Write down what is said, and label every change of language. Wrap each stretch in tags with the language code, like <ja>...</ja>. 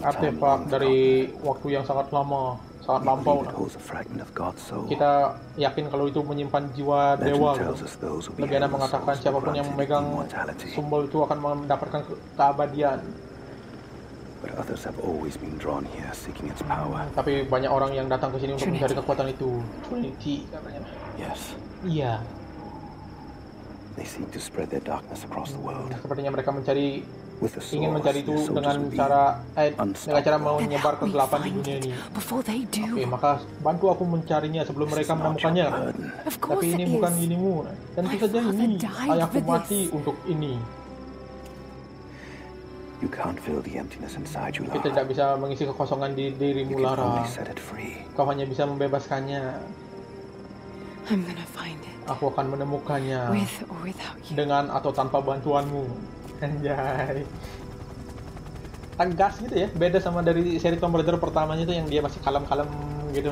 <id>artifact dari waktu yang sangat lama, sangat lampau. Kita yakin kalau itu menyimpan jiwa dewa. Legenda mengatakan siapapun yang memegang sumbul itu akan mendapatkan keabadian.</id> <en>But others have always been drawn here seeking its power.</en> <id>Tapi banyak orang yang datang ke sini untuk mencari kekuatan itu.</id> <en>Trinity. Yes.</en> <id>Iya.</id> <en>They seek to spread their darkness across the world.</en> <id>Sepertinya mereka mencari ingin mencari itu dengan cara menyebar kegelapan di dunia ini. Oke, maka bantu aku mencarinya sebelum mereka menemukannya. Tapi ini bukan ginimu. Tentu saja ini. Ayahku mati untuk ini.</id> <en>You can't fill the emptiness inside you, Lara.</en> <id>Kita tidak bisa mengisi kekosongan di dirimu, Lara. Kau hanya bisa membebaskannya.</id> <en>I'm gonna find it.</en> <id>Aku akan menemukannya.</id> <en>With or without you.</en> <id>Dengan atau tanpa bantuanmu. Anjay. Tegas gitu ya. Beda sama dari seri Tomb Raider pertamanya itu yang dia masih kalem-kalem gitu.</id>